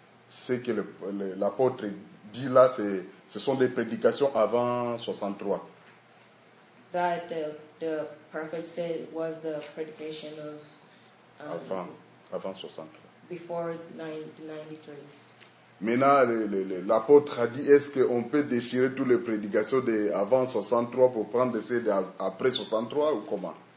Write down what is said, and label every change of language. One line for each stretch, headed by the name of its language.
French: Ce que l'apôtre dit là, ce sont des prédications avant 63.
English: That the prophet said was the predication of.
French: Avant 63.
English: Before 1993.
French: Maintenant, l'apôtre a dit, est-ce qu'on peut déchirer toutes les prédications de avant 63 pour prendre celles d'après 63 ou comment?